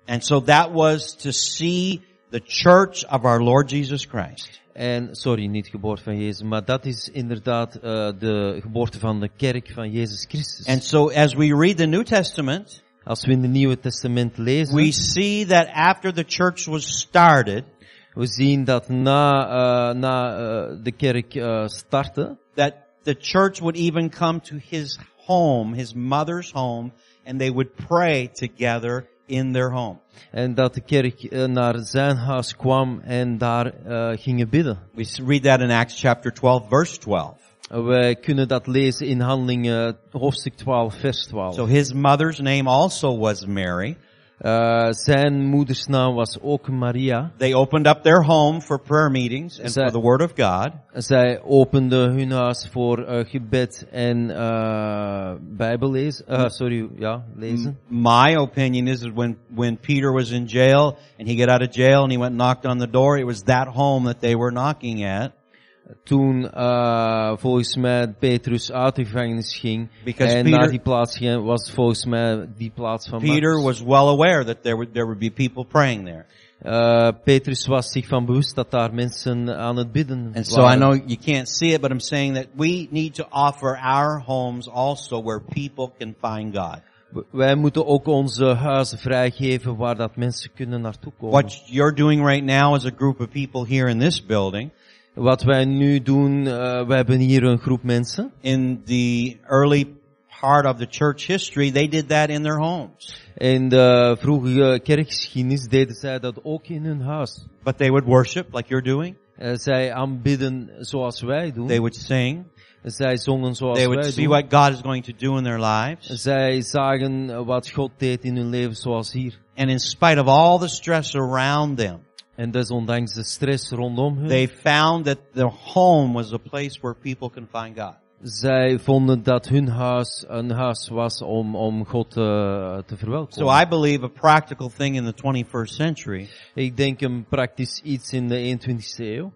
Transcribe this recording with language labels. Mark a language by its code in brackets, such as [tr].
[en] And so that was to see the church of our Lord Jesus Christ. [nl] En sorry, niet geboorte van Jezus, maar dat is inderdaad de geboorte van de kerk van Jezus Christus. [en] And so as we read the New Testament, [nl] als we in het Nieuwe Testament lezen, [en] we see that after the church was started, [nl] we zien dat na de kerk startte, [en] that the church would even come to his home, his mother's home, and they would pray together in their home. [nl] En dat de kerk naar zijn huis kwam en daar gingen bidden. [en] We read that in Acts chapter 12, verse 12. [nl] We kunnen dat lezen in Handelingen hoofdstuk 12, vers 12. [en] So his mother's name also was Mary. [nl] Zijn moeders naam was ook Maria. [en] They opened up their home for prayer meetings and for the word of God. [nl] Zij openden hun huis voor gebed en Bijbellezen. Lezen. [en] My opinion is that when Peter was in jail and he got out of jail and he went and knocked on the door, it was that home that they were knocking at. [nl] Toen volgens mij Petrus uit de gevangenis ging en naar die plaats ging, was volgens mij die plaats van [en] Peter [nl] Marcus. [en] Was well aware that there would be people praying there. [nl] Petrus was zich van bewust dat daar mensen aan het bidden [en] and [nl] waren. [en] And so I know you can't see it, but I'm saying that we need to offer our homes also where people can find God. [nl] Wij moeten ook onze huizen vrijgeven waar dat mensen kunnen naartoe komen. [en] What you're doing right now as a group of people here in this building. [nl] Wat wij nu doen, we hebben hier een groep mensen. [en] In the early part of the church history, they did that in their homes. [nl] In de vroege kerkgeschiedenis deden zij dat ook in hun huis. [en] But they would worship like you're doing. [nl] Zij aanbidden zoals wij doen. [en] They would sing. [nl] Zij zongen zoals wij doen. [en] They would see what God is going to do in their lives. [nl] Zij zagen wat God deed in hun leven zoals hier. [en] And in spite of all the stress around them. [nl] En desondanks de stress rondom hun. [en] They found that their home was a place where people can find God. [nl] Zij vonden dat hun huis een huis was om God te verwelkomen. [en] So I believe a practical thing in the 21st century. [nl] Ik denk een praktisch iets in de 21ste eeuw.